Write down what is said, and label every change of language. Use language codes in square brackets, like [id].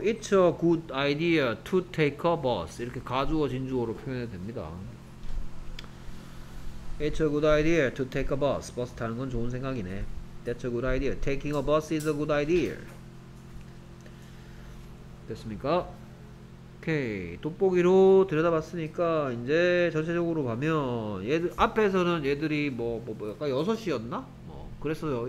[en] It's a good idea to take a bus. [ko] 이렇게 가주어 진주어로 표현해도 됩니다. [en] It's a good idea to take a bus. [ko] 버스 타는 건 좋은 생각이네. [en] That's a good idea. Taking a bus is a good idea. [ko] 됐습니까? 오케이. 돋보기로 들여다봤으니까 이제 전체적으로 보면 얘들 앞에서는 얘들이 뭐 약간 6시였나? 뭐 그랬어요.